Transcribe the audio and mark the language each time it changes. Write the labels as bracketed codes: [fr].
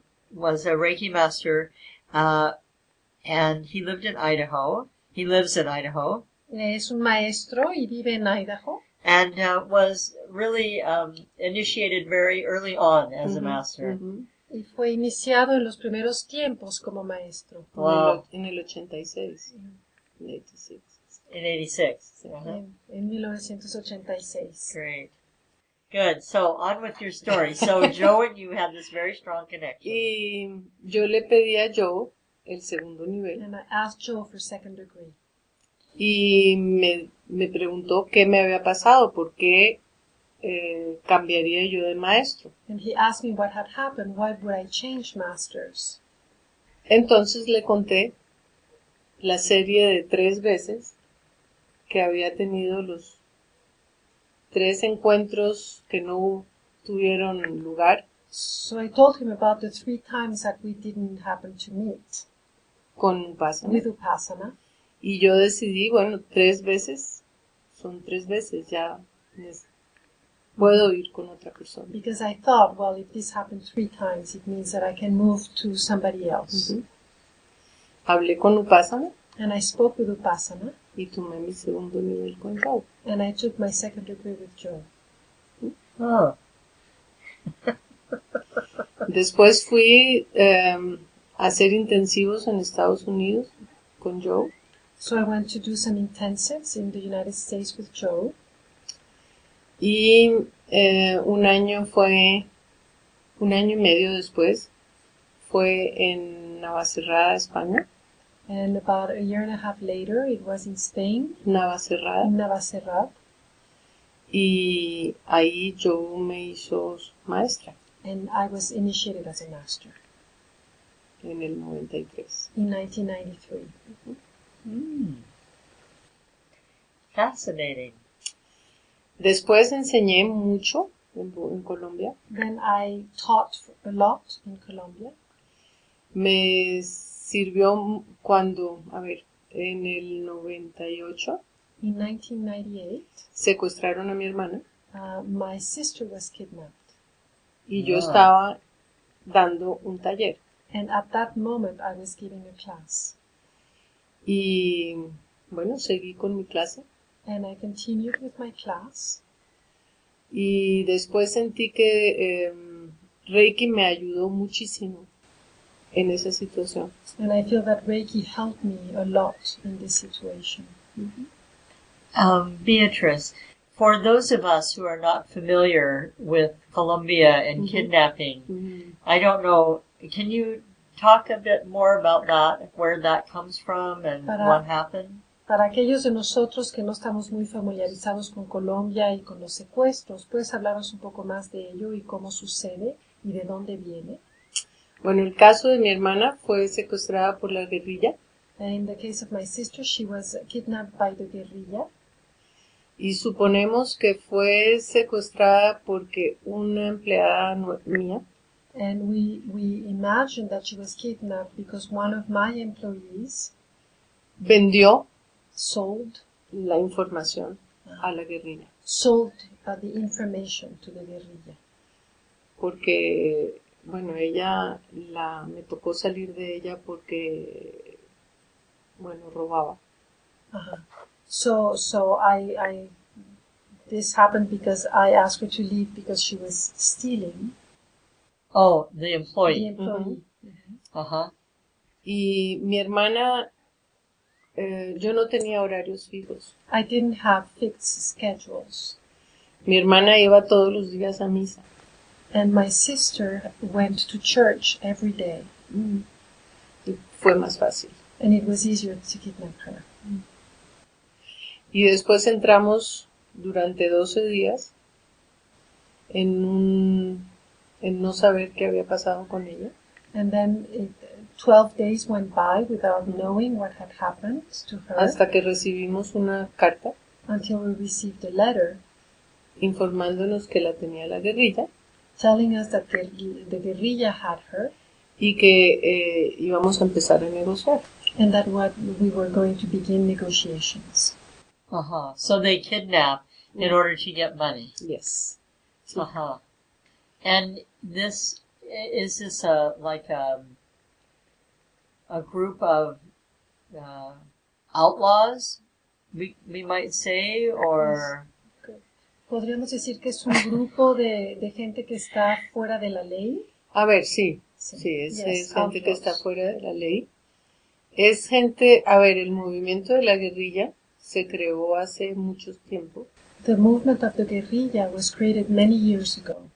[en] was a Reiki master, and he lived in Idaho. He lives in Idaho. [es] Es un maestro y vive en Idaho. [en] And was really initiated very early on as mm-hmm. a master. Mm-hmm. [es] Y fue iniciado en los primeros tiempos como maestro. [en] Wow. [es] En el 86. [en] In 86. In 86. [es] En 1986. [en] Great. Good. So, on with your story. So, Joe and you have this very strong connection. [es] Y yo le pedí a Joe el segundo nivel. [en] And I asked Joe for second degree. [es] Y me preguntó qué me había pasado, por qué cambiaría yo de maestro. [en] And he asked me what had happened, why would I change masters. [es] Entonces le conté la serie de tres veces que había tenido los tres encuentros que no tuvieron lugar. [en] So I told him about the three times that we didn't happen to meet. [es] Con Upasana. [en] With Upasana. [es] Y yo decidí, bueno, tres veces, son tres veces, ya puedo ir con otra persona. [en] Because I thought, well, if this happened three times, it means that I can move to somebody else. [es] Mm-hmm. Hablé con Upasana. [en] And I spoke with Upasana. [es] Y tomé mi segundo nivel con Joe. [en] And I took my second degree with Joe. Oh. [es] Después fui a hacer intensivos en Estados Unidos con Joe. [en] So I went to do some intensives in the United States with Joe. [es] Y un año fue Un año y medio después fue en Navacerrada, España. [en] And about a year and a half later, it was in Spain. [es] Navacerrada. Navacerrada. Y ahí yo me hizo maestra. [en] And I was initiated as a master. [es] En el 93. [en] In 1993. Mm-hmm. Mm. Fascinating. [es] Después enseñé mucho en Colombia. [en] Then I taught a lot in Colombia. [es] Me sirvió cuando, a ver, en el 98. [en] In 1998. [es] Secuestraron a mi hermana. [en] My sister was kidnapped. [es] Y yo estaba dando un taller. [en] And at that moment I was giving a class. [es] Y bueno, seguí con mi clase. [en] And I continued with my class. [es] Y después sentí que Reiki me ayudó muchísimo en esa situación. [en] And I feel that Reiki helped me a lot in this situation. Mm-hmm. Beatrice, for those of us who are not familiar with Colombia and mm-hmm. kidnapping, mm-hmm. I don't know, can you talk a bit more about that, where that comes from and what happened? [es] Para aquellos de nosotros que no estamos muy familiarizados con Colombia y con los secuestros, ¿puedes hablarnos un poco más de ello y cómo sucede y de dónde viene? Bueno, el caso de mi hermana fue secuestrada por la guerrilla. [en] In the case of my sister, she was kidnapped by the guerrilla. [es] Y suponemos que fue secuestrada porque una empleada mía. [en] And we imagine that she was kidnapped because one of my employees [es] vendió. [en] Sold [es] la información a la guerrilla. [en] Sold the information to the guerrilla. [es] Porque, bueno, ella, me tocó salir de ella porque, bueno, robaba. Uh-huh. [en] So I, this happened because I asked her to leave because she was stealing. Oh, the employee. The employee. Mm-hmm. Uh-huh. [es] Y mi hermana. Yo no tenía horarios fijos. [en] I didn't have fixed schedules. [es] Mi hermana iba todos los días a misa. [en] And my sister went to church every day. [es] Mm. Y fue más fácil. [en] And it was easier to kidnap her. Mm. [es] Y después entramos durante 12 días en no saber qué había pasado con ella. [en] And then 12 days went by without knowing what had happened to her. [es] Hasta que recibimos una carta. [en] Until we received a letter. [es] Informándonos que la tenía la guerrilla. [en] Telling us that the guerrilla had her. [es] Y que íbamos a empezar a negociar. [en] And that we were going to begin negotiations. Uh-huh. So they kidnap in order to get money. Yes. Uh-huh. And this, is this a, like a group of outlaws, we might say, or [es] podríamos decir que es un grupo de gente que está fuera de la ley. A ver, sí, sí, es, yes, es gente que está fuera de la ley. Es gente, a ver, el movimiento de la guerrilla se creó hace mucho tiempo. [en] The movement of the guerrilla was created many years ago.